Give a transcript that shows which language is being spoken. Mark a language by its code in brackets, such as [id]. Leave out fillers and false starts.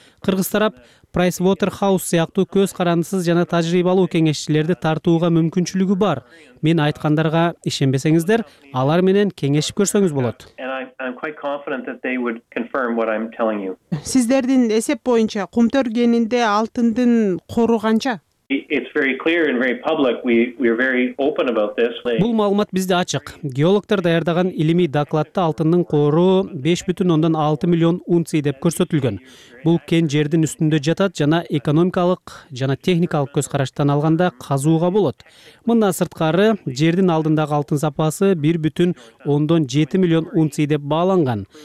[ky] Кыргыз тарап Pricewaterhouse сыяктуу көз карандысыз жана тажрыйбалуу кеңешчилерди тартууга мүмкүнчүлүгү бар. Мен айткандарга ишенбесеңиздер, алар менен кеңешип көрсөңүз болот. Сиздердин эсеп боюнча кумтөр кенинде алтындын кору канча? [en] It's very clear and very public. We are very open about this. [ky] Бул маалымат бизде ачык. Геологтор даярдаган илимий докладта алтындын кору 5.6 миллион унций деп көрсөтүлгөн. Бул кен жердин үстүндө жатат жана экономикалык жана техникалык көз караштан алганда казууга болот. Мындан сырткары жердин алдындагы алтын запасы 1.7 миллион унций деп бааланган.